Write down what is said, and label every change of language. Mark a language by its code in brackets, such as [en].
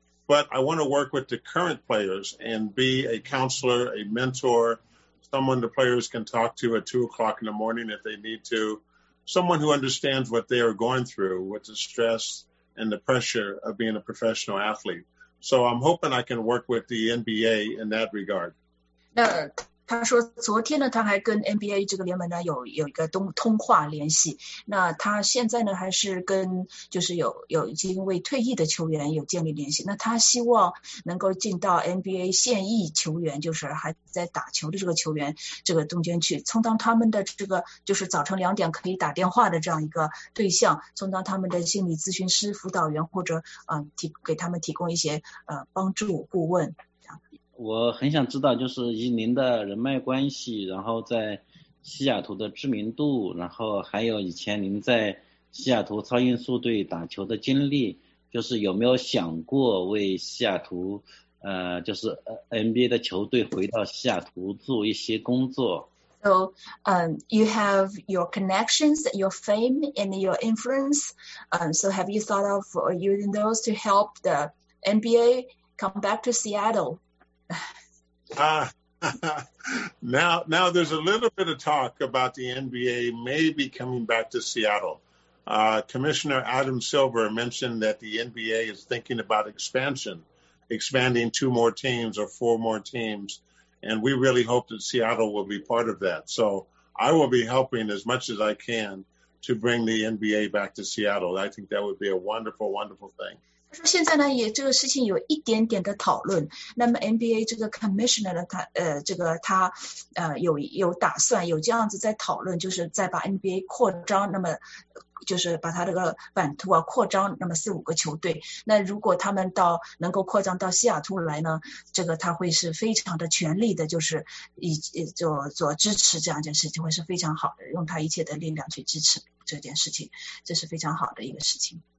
[en] But I want to work with the current players and be a counselor, a mentor, someone the players can talk to at 2:00 in the morning if they need to, someone who understands what they are going through with the stress and the pressure of being a professional athlete. So I'm hoping I can work with the NBA in that regard. No. [zh] 他说昨天呢，他还跟 NBA 这个联盟呢有一个通话联系。那他现在呢还是跟就是有已经为退役的球员有建立联系。那他希望能够进到 NBA 现役球员，就是还在打球的这个球员这个中间去，充当他们的这个就是早晨两点可以打电话的这样一个对象，充当他们的心理咨询师、辅导员，或者给他们提供一些帮助顾问。我很想知道，就是以您的人脉关系，然后在西雅图的知名度，然后还有以前您在西雅图超音速队打球的经历，就是有没有想过为西雅图，就是NBA 的球队回到西雅图做一些工作？ [en] So, you have your connections, your fame, and your influence. So have you thought of using those to help the NBA come back to Seattle? Now there's a little bit of talk about the NBA maybe coming back to Seattle. Commissioner Adam Silver mentioned that the NBA is thinking about expansion expanding 2 more teams or 4 more teams. And we really hope that Seattle will be part of that. So I will be helping as much as I can to bring the NBA back to Seattle. I think that would be a wonderful, wonderful thing. [zh] 他说现在呢也这个事情有一点点的讨论，那么 NBA 这个 commissioner 呢他有打算有这样子在讨论，就是再把 NBA 扩张，那么就是把他这个版图啊扩张那么4-5个球队，那如果他们到能够扩张到西雅图来呢，这个他会是非常的全力的，就是以做支持这样一件事情，会是非常好的，用他一切的力量去支持这件事情，这是非常好的一个事情。